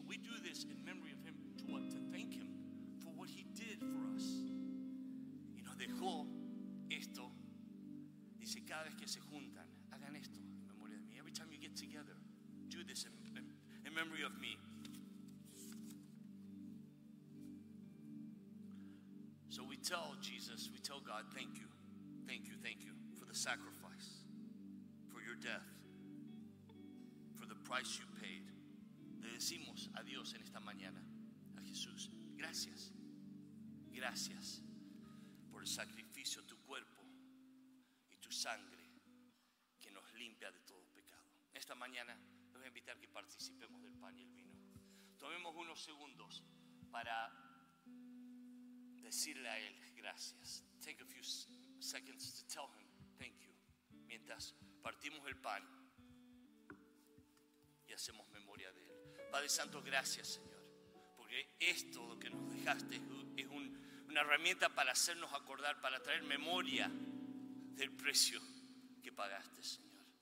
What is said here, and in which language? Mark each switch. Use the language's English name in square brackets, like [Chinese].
[English] We do this in memory of Him, to thank Him for what He did for us. [Spanish] Y nos dejó esto. Dice, cada vez que se juntan, hagan esto en memoria de mí. [English] Every time you get together, do this in memory of me. So we tell Jesus, we tell God, thank you for the sacrifice, for your death, price you paid. [Spanish] Le decimos a Dios en esta mañana, a Jesús, gracias. Gracias por el sacrificio de tu cuerpo y tu sangre que nos limpia de todo pecado. Esta mañana les voy a invitar que participemos del pan y el vino. Tomemos unos segundos para decirle a Él gracias. [English] Take a few seconds to tell Him thank you. [Spanish] Mientras partimos el pan y hacemos memoria de Él. Padre Santo, gracias, Señor, porque esto lo que nos dejaste es una herramienta para hacernos acordar, para traer memoria del precio que pagaste, Señor.